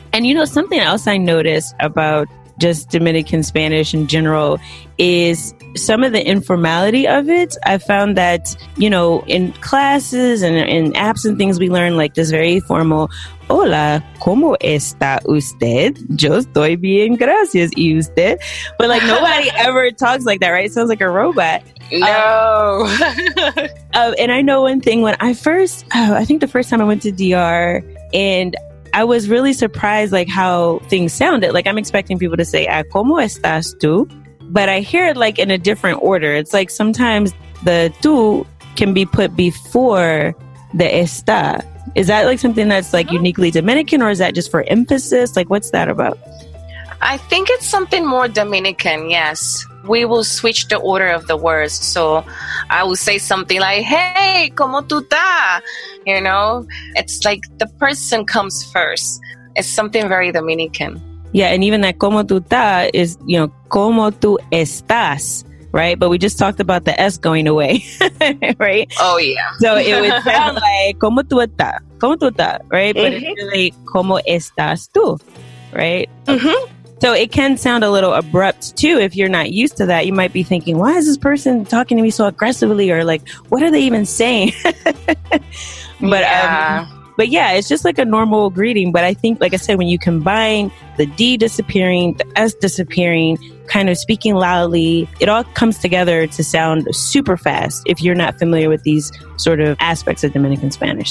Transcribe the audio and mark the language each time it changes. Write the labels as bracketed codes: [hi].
[en] And you know, something else I noticed about just Dominican Spanish in general is some of the informality of it. I found that, you know, in classes and in apps and things, we learn like this very formal, [es] hola, ¿cómo está usted? Yo estoy bien, gracias, ¿y usted? [en] But like nobody ever talks like that, right? It sounds like a robot. No. And I know one thing, when I first, I think the first time I went to DR, and I was really surprised like how things sounded. Like I'm expecting people to say, ah, [es] ¿cómo estás tú? [en] But I hear it like in a different order. It's like sometimes the tú can be put before the está. Is that like something that's like uniquely Dominican, or is that just for emphasis? Like what's that about? I think it's something more Dominican, yes. We will switch the order of the words. So I will say something like, hey, [es] ¿cómo tú estás? [en] You know, it's like the person comes first. It's something very Dominican. Yeah, and even that [es] ¿cómo tú estás? [en] Is, you know, ¿cómo tú estás? Right? But we just talked about the S going away, right? Oh, yeah. So it would sound like [es] ¿cómo tú estás? ¿Cómo tú estás? [en] Right? But it's really [es] ¿cómo estás tú? [en] Right? So it can sound a little abrupt, too, if you're not used to that. You might be thinking, why is this person talking to me so aggressively? Or like, what are they even saying? But yeah, it's just like a normal greeting. But I think, like I said, when you combine the D disappearing, the S disappearing, kind of speaking loudly, it all comes together to sound super fast if you're not familiar with these sort of aspects of Dominican Spanish.